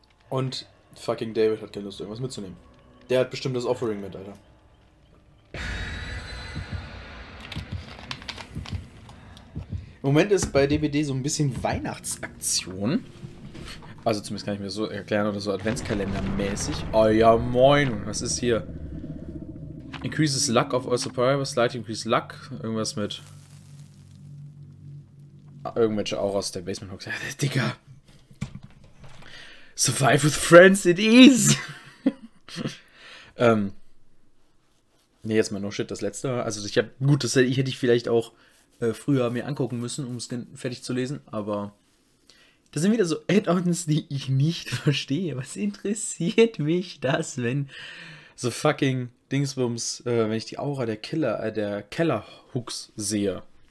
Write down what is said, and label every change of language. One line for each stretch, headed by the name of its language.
German: Und fucking David hat keine Lust, irgendwas mitzunehmen. Der hat bestimmt das Offering mit, Alter. Im Moment ist bei DBD so ein bisschen Weihnachtsaktion. Also zumindest kann ich mir das so erklären oder so Adventskalendermäßig. Oh ja, moin. Was ist hier?
English: Increases luck of all survivors. Slightly increase luck.
German: Irgendwas mit. Irgendwelche Auras der Basement Hawks. Ja, Digga.
English: Survive with friends, it is.
German: Ne, jetzt mal no shit, das letzte. Also ich hab. Gut, das hätte ich vielleicht auch früher mir angucken müssen, um es fertig zu lesen, aber. Das sind wieder so Add-ons, die ich nicht verstehe. Was interessiert mich das, wenn so fucking Dingsbums, wenn ich die Aura der Killer, der Keller-Hooks sehe?